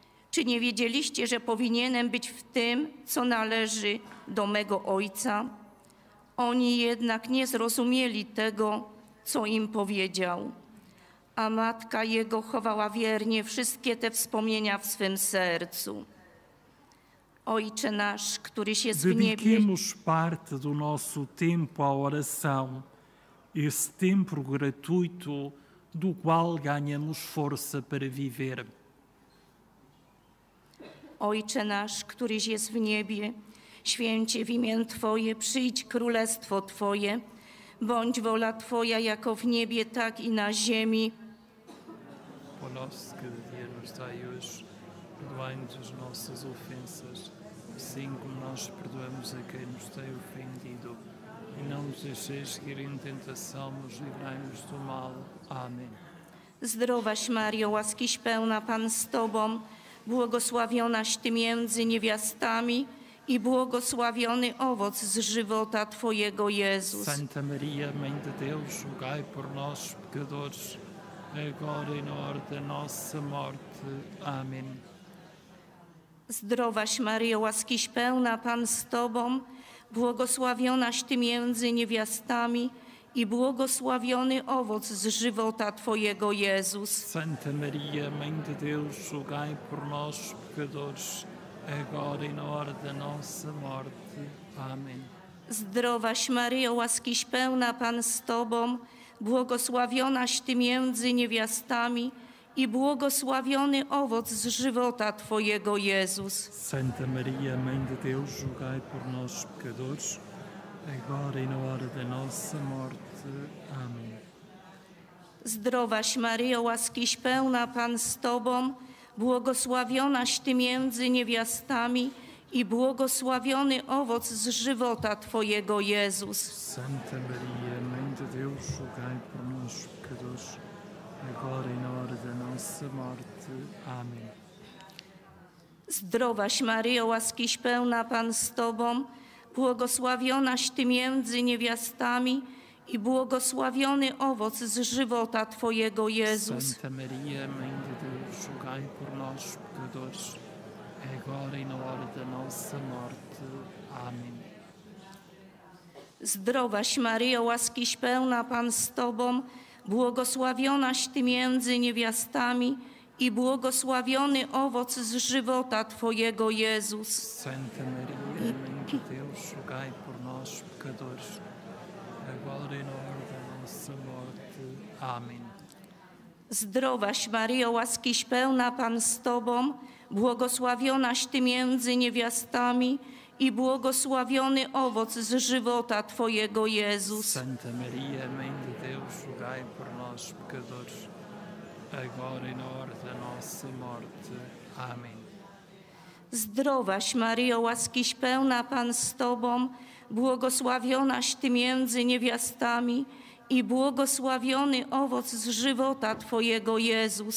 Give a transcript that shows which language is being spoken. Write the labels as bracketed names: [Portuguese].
[Polish] Czy nie wiedzieliście, że powinienem być w tym, co należy do mego ojca? Oni jednak nie zrozumieli tego, co im powiedział. A matka jego chowała wiernie wszystkie te wspomnienia w swym sercu. Ojcze nasz, któryś jest [Portuguese] Dediquemos [Polish] w niebie. [Portuguese] Dediquemos parte do nosso tempo à oração, esse tempo gratuito do qual ganhamos força para viver. [Polish] Ojcze nasz, któryś jest w niebie, święcie w imię Twoje, przyjdź królestwo Twoje, bądź wola Twoja jako w niebie, tak i na ziemi. [Portuguese] Po nosso que devemos dar hoje, perdoando as nossas ofensas, assim como nós perdoamos a quem nos tem ofendido. E não nos deixeis cair em tentação, mas livrai-nos do mal. Amém. [Polish] Zdrowaś, Mario, łaskiś pełna, Pan z Tobą, błogosławionaś Ty między niewiastami i błogosławiony owoc z żywota Twojego, Jezus. [Portuguese] Santa Maria, Mãe de Deus, rogai por nós, pecadores, agora e na hora da nossa morte. Amém. [Polish] Zdrowaś, Mario, łaskiś pełna, Pan z Tobą, błogosławionaś Ty między niewiastami i błogosławiony owoc z żywota Twojego, Jezus. [Portuguese] Santa Maria, Mãe de Deus, rogai por nós, pecadores, agora e na hora da nossa morte. Amém. [Polish] Zdrowaś, Mario, łaskiś pełna, Pan z Tobą, błogosławionaś Ty między niewiastami i błogosławiony owoc z żywota Twojego, Jezus. [Portuguese] Santa Maria, Mãe de Deus, rogai por nós, pecadores, agora e na hora da nossa morte. Amém. [Polish] Zdrowaś, Mario, łaskiś pełna, Pan z Tobą, błogosławionaś Ty między niewiastami i błogosławiony owoc z żywota Twojego, Jezus. [Portuguese] Santa Maria, Mãe de Deus, rogai por nós, pecadores, agora e na hora da nossa morte. Amém. [Polish] Zdrowaś, Mario, łaskiś pełna, Pan z Tobą, błogosławionaś Ty między niewiastami i błogosławiony owoc z żywota Twojego, Jezus. [Portuguese] Santa Maria, Mãe de Deus, rogai por nós, pecadores, agora e na hora da nossa morte. Amém. [Polish] Zdrowaś, Mario, łaskiś pełna, Pan z Tobą, błogosławionaś Ty między niewiastami i błogosławiony owoc z żywota Twojego, Jezus. [Portuguese] Santa Maria, Mãe de Deus, rogai por nós, pecadores, agora e na hora da nossa morte. Amém. [Polish] Zdrowaś, Mario, łaskiś pełna, Pan z Tobą, błogosławionaś Ty między niewiastami i błogosławiony owoc z żywota Twojego, Jezus. [Portuguese] Santa Maria, Mãe de Deus, rogai por nós, pecadores, agora e na hora da nossa morte. Amém. [Polish] Zdrowaś, Mario, łaskiś pełna, Pan z Tobą, błogosławionaś Ty między niewiastami i błogosławiony owoc z żywota Twojego, Jezus.